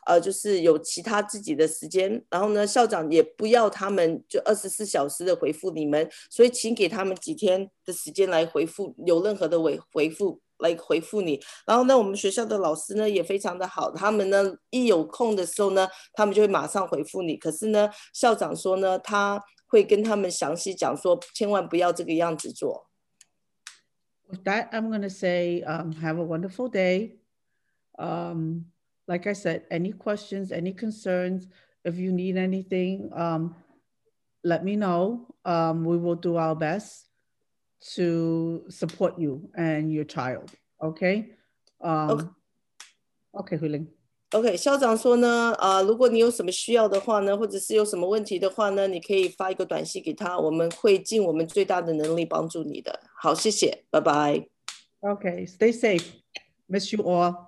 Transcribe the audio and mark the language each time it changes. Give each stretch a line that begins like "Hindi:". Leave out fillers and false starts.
Chinese: 就是有其他自己的时间然后呢校长也不要他们就24小时的回复你们所以请给他们几天的时间来回复有任何的回复来回复你然后呢我们学校的老师呢也非常的好他们呢一有空的时候呢他们就会马上回复你可是呢校长说呢他会跟他们详细讲说，千万不要这个样子做。
English: With that, I'm going to say, have a wonderful day. Like I said, any questions, any concerns, if you need anything, let me know. We will do our best to support you and your child. Okay. Okay, Huiling.
Chinese: OK, 校长说呢如果你有什么需要的话呢或者是有什么问题的话呢你可以发一个短信给他我们会尽我们最大的能力帮助你的。好谢谢拜拜。
English: OK, stay safe. Miss you all.